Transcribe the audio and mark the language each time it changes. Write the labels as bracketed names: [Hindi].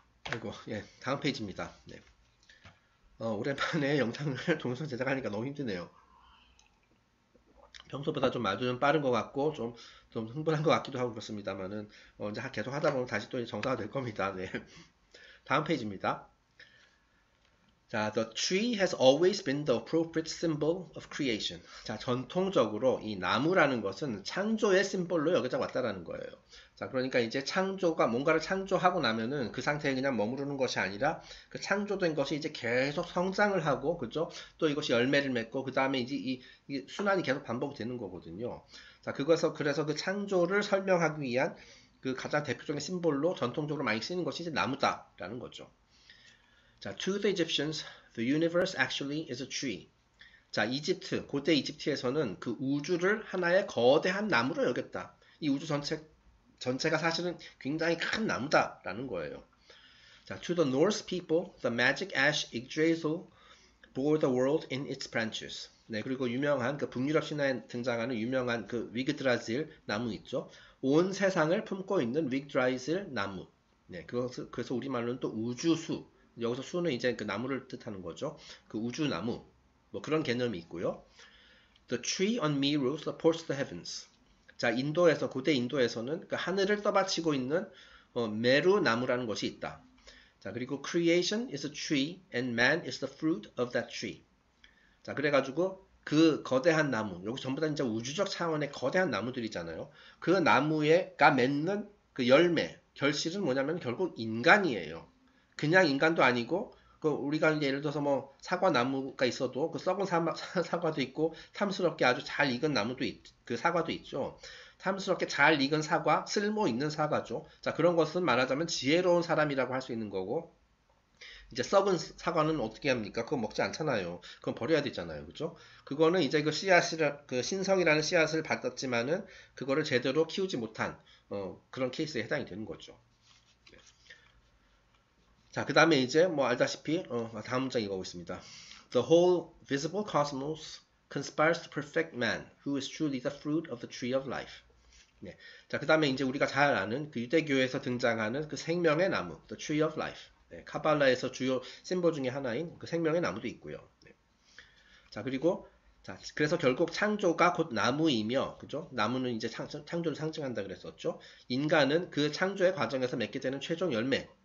[Korean] 아이고, 예, 다음 페이지입니다. 네. 오랜만에 영상을 동영상 제작하니까 너무 힘드네요. 평소보다 좀 말도 좀 빠른 것 같고, 좀 흥분한 것 같기도 하고 그렇습니다만은, 이제 계속 하다 보면 다시 또 정상화 될 겁니다. 네. 다음 페이지입니다. [English] 자, The tree has always been the appropriate symbol of creation. [Korean] 자, 전통적으로 이 나무라는 것은 창조의 심볼로 여기다 왔다라는 거예요. 자, 그러니까 이제 창조가 뭔가를 창조하고 나면은 그 상태에 그냥 머무르는 것이 아니라 그 창조된 것이 이제 계속 성장을 하고, 그죠? 또 이것이 열매를 맺고, 그 다음에 이제 이 순환이 계속 반복되는 거거든요. 자, 그래서 그 창조를 설명하기 위한 그 가장 대표적인 심볼로 전통적으로 많이 쓰이는 것이 이제 나무다라는 거죠. [English] 자, to the Egyptians, the universe actually is a tree. [Korean] 자, 이집트, 고대 이집트에서는 그 우주를 하나의 거대한 나무로 여겼다. 이 우주 전체가 사실은 굉장히 큰 나무다라는 거예요. [English] 자, to the Norse people, the magic ash Yggdrasil bore the world in its branches. [Korean] 네, 그리고 유명한 그 북유럽 신화에 등장하는 유명한 그 윅드라질 나무 있죠. 온 세상을 품고 있는 윅드라질 나무. 네, 그래서 우리말로는 또 우주수. 여기서 수는 이제 그 나무를 뜻하는 거죠. 그 우주나무. 뭐 그런 개념이 있고요. [English] The tree on Meru supports the heavens. [Korean] 자, 인도에서, 고대 인도에서는 그 하늘을 떠받치고 있는 메루 나무라는 것이 있다. 자, 그리고 [English] creation is a tree and man is the fruit of that tree. [Korean] 자, 그래가지고 그 거대한 나무, 여기 전부 다 이제 우주적 차원의 거대한 나무들이잖아요. 그 나무가 맺는 그 열매, 결실은 뭐냐면 결국 인간이에요. 그냥 인간도 아니고, 그, 우리가 예를 들어서 뭐, 사과나무가 있어도, 그 썩은 사과도 있고, 탐스럽게 아주 잘 익은 그 사과도 있죠. 탐스럽게 잘 익은 사과, 쓸모 있는 사과죠. 자, 그런 것은 말하자면 지혜로운 사람이라고 할수 있는 거고, 이제 썩은 사과는 어떻게 합니까? 그거 먹지 않잖아요. 그건 버려야 되잖아요. 그죠? 그거는 이제 그 신성이라는 씨앗을 받았지만은, 그거를 제대로 키우지 못한, 그런 케이스에 해당이 되는 거죠. 자, 그 다음에 이제 뭐 알다시피 다음 문장 읽어보겠습니다. [English] The whole visible cosmos conspires to perfect man, who is truly the fruit of the tree of life. [Korean] 네. 자, 그 다음에 이제 우리가 잘 아는 그 유대교에서 등장하는 그 생명의 나무, [English] the tree of life. [Korean] 네, 카발라에서 주요 심볼 중에 하나인 그 생명의 나무도 있고요. 네. 자, 그리고 자, 그래서 결국 창조가 곧 나무이며, 그죠? 나무는 이제 창조를 상징한다 그랬었죠. 인간은 그 창조의 과정에서 맺게 되는 최종 열매.